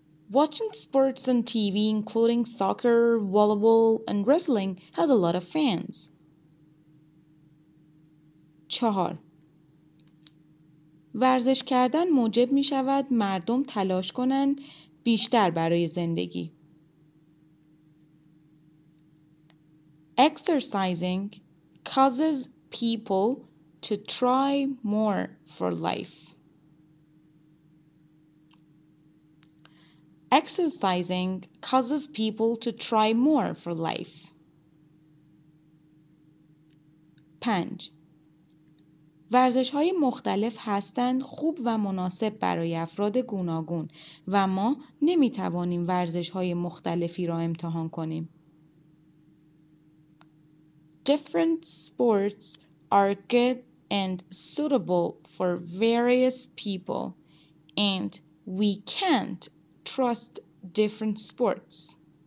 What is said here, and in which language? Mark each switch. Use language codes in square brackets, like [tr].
[en] Watching sports on TV including soccer, volleyball, and wrestling has a lot of fans. 4. [fa] ورزش کردن موجب می شود مردم تلاش کنند بیشتر برای زندگی. [en] Exercising causes people to try more for life. Exercising causes people to try more for life. 5. [fa] ورزش‌های مختلف هستند خوب و مناسب برای افراد گوناگون و ما نمی‌توانیم ورزش‌های مختلفی را امتحان کنیم. [en] Different sports are good and suitable for various people, and we can't trust different sports.